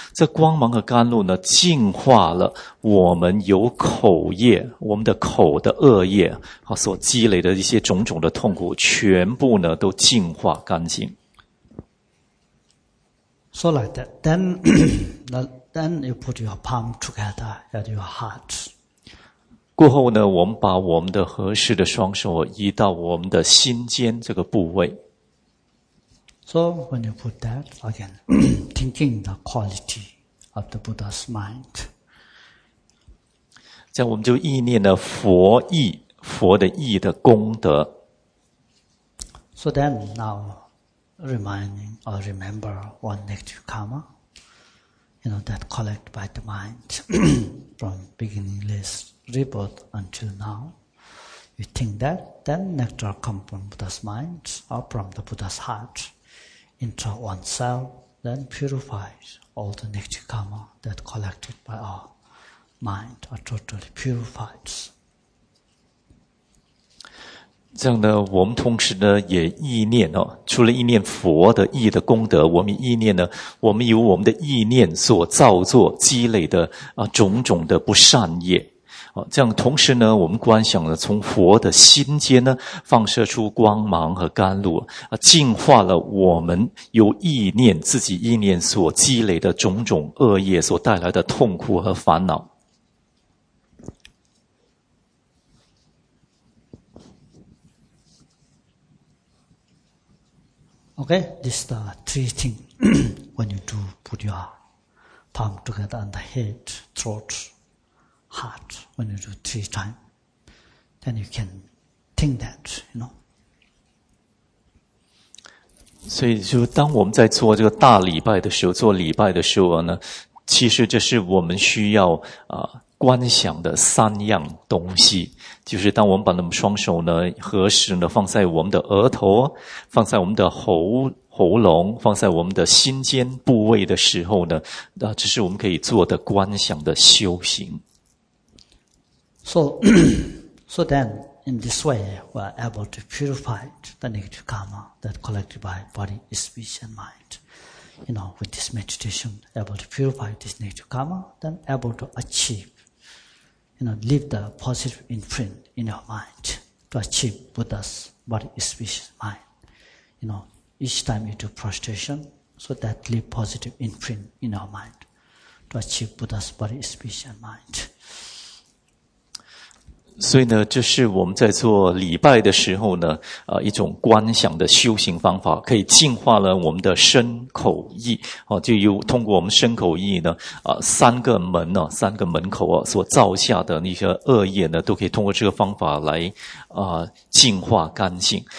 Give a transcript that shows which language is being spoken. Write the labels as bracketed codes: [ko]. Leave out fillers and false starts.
[zh] 这光芒和甘露呢，净化了我们由口业我们的口的恶业啊所积累的一些种种的痛苦，全部呢都净化干净。 [en] So like that, then you put your palm together at your heart. [zh] 过后呢，我们把我们的合十的双手移到我们的心间这个部位。 [en] So when you put that again, thinking the quality of the Buddha's mind. [zh] 这样我们就意念了佛意，佛的意的功德。 [en] So then now. Reminding or remember one negative karma, you know, that collected by the mind from beginningless rebirth until now. You think that, then nectar comes from Buddha's mind or from the Buddha's heart into oneself, then purifies all the negative karma that collected by our mind are totally purified. [zh] 这样呢，我们同时呢也意念哦，除了意念佛的意的功德，我们意念呢，我们由我们的意念所造作积累的啊种种的不善业，这样同时呢，我们观想呢，从佛的心间呢放射出光芒和甘露啊，净化了我们由意念自己意念所积累的种种恶业所带来的痛苦和烦恼。 [en] Okay, this is the three things when you do put your palm together on the head, throat, heart, when you do three times, then you can think that, you know. [zh] 所以就当我们在做这个大礼拜的时候，做礼拜的时候呢，其实这是我们需要观想的三样东西，就是当我们把那么双手呢合十呢放在我们的额头，放在我们的喉咙，放在我们的心间部位的时候呢，这是我们可以做的观想的修行。 [en] So then in this way we are able to purify the negative karma that collected by body, speech, and mind. You know, with this meditation, able to purify this negative karma, then able to achieve, you know, leave the positive imprint in your mind to achieve Buddha's body, speech, mind. You know, each time you do prostration, so that leave positive imprint in your mind to achieve Buddha's body, speech, and mind. [zh] 所以呢，这是我们在做礼拜的时候呢，一种观想的修行方法，可以净化了我们的身口意，就由通过我们身口意呢，三个门呢，三个门口所造下的那些恶业呢，都可以通过这个方法来净化干净。